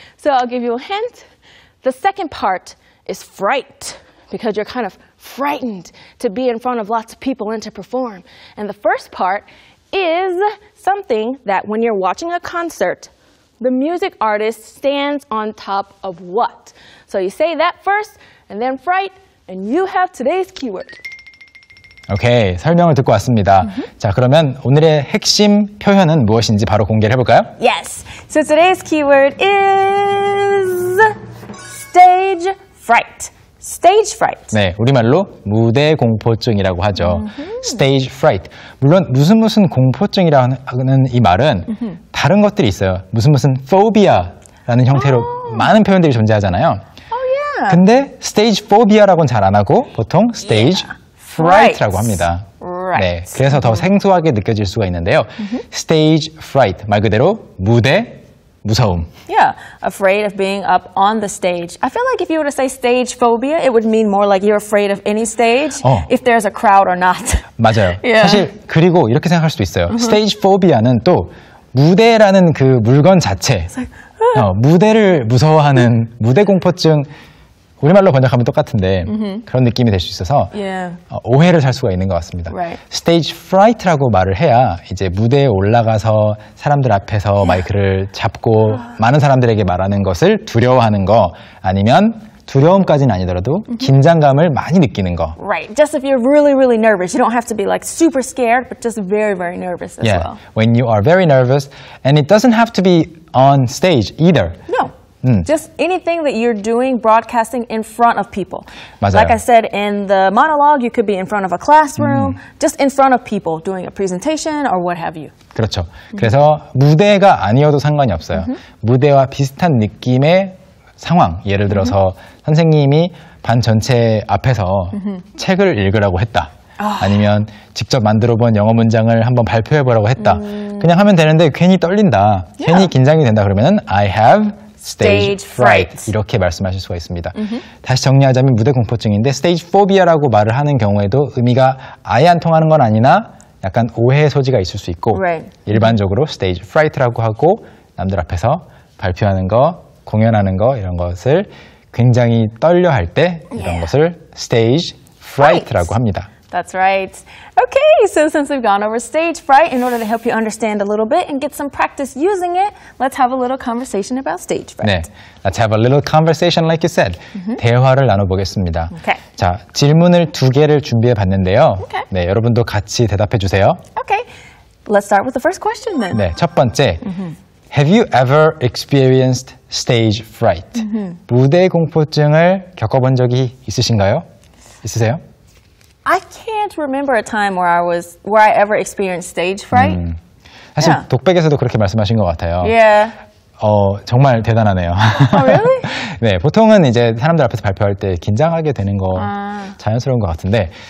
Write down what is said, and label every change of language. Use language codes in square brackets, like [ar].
[en] So I'll give you a hint. The second part is fright, because you're kind of frightened to be in front of lots of people and to perform. And the first part is something that when you're watching a concert, the music artist stands on top of what? So you say that first, and then fright, and you have today's keyword. [ko] 오케이, 설명을 듣고 왔습니다. 자, 그러면 오늘의 핵심 표현은 무엇인지 바로 공개를 해볼까요? [en] Yes! So today's keyword is stage fright. Stage fright. [ko] 네, 우리말로 무대 공포증이라고 하죠. [en] Stage fright. [ko] 물론 무슨 무슨 공포증이라는 이 말은 다른 것들이 있어요. 무슨 무슨 phobia라는 형태로 많은 표현들이 존재하잖아요. [en] Oh, yeah! [ko] 근데 stage phobia라고는 잘 안 하고 보통 stage [en] yeah. [ko] fright라고 합니다. [en] Right. [ko] 네, 그래서 더 생소하게 느껴질 수가 있는데요. Stage fright, 말 그대로 무대 무서움. [en] Yeah, afraid of being up on the stage. I feel like if you were to say stage phobia, it would mean more like you're afraid of any stage, if there's a crowd or not. [ko] 맞아요. [en] Yeah. [ko] 사실 그리고 이렇게 생각할 수도 있어요. Stage phobia는 또 무대라는 그 물건 자체, [en] It's like, [ko] 무대를 무서워하는 무대 공포증. 우리말로 번역하면 똑같은데 그런 느낌이 될 수 있어서 [en] yeah. [ko] 오해를 살 수가 있는 것 같습니다. [en] Right. [ko] Stage fright라고 말을 해야 이제 무대에 올라가서 사람들 앞에서 yeah. 마이크를 잡고 많은 사람들에게 말하는 것을 두려워하는 거 아니면 두려움까지는 아니더라도 긴장감을 많이 느끼는 거. [en] Right. Just if you're really, really nervous. You don't have to be like super scared, but just very, very nervous as yeah. well. When you are very nervous, and it doesn't have to be on stage either. No. Just anything that you're doing, broadcasting in front of people. [ko] 맞아요. [en] Like I said in the monologue, you could be in front of a classroom, just in front of people, doing a presentation or what have you. [ko] 그렇죠. 그래서 무대가 아니어도 상관이 없어요. 무대와 비슷한 느낌의 상황, 예를 들어서 선생님이 반 전체 앞에서 책을 읽으라고 했다. 아니면 직접 만들어본 영어 문장을 한번 발표해보라고 했다. 그냥 하면 되는데 괜히 떨린다, [en] yeah. [ko] 괜히 긴장이 된다 그러면은 [en] I have... Stage fright. [ko] 이렇게 말씀하실 수가 있습니다. 다시 정리하자면 무대 공포증인데 stage phobia라고 말을 하는 경우에도 의미가 아예 안 통하는 건 아니나 약간 오해의 소지가 있을 수 있고 [en] right. [ko] 일반적으로 stage fright라고 하고 남들 앞에서 발표하는 거, 공연하는 거 이런 것을 굉장히 떨려 할 때 이런 [en] yeah. [ko] 것을 stage fright라고 합니다. [en] That's right. Okay, so since we've gone over stage fright, in order to help you understand a little bit and get some practice using it, let's have a little conversation about stage fright. [ko] 네, [en] let's have a little conversation like you said. [ko] 대화를 나눠보겠습니다. [en] Okay. [ko] 자, 질문을 두 개를 준비해봤는데요. [en] Okay. [ko] 네, 여러분도 같이 대답해주세요. [en] Okay, let's start with the first question then. 네, [ko] 첫 번째. [en] Have you ever experienced stage fright? [ko] 무대 공포증을 겪어본 적이 있으신가요? 있으세요? [en] I can't remember a time where I was where I ever experienced stage fright. [ko] 사실 yeah. 독백에서도 그렇게 말씀하신 것 같아요. [en] Yeah. [ko] 정말 대단하네요. [en] Oh, really? [ko] 네, 보통은 이제 사람들 앞에서 발표할 때 긴장하게 되는 거 자연스러운 것 같은데.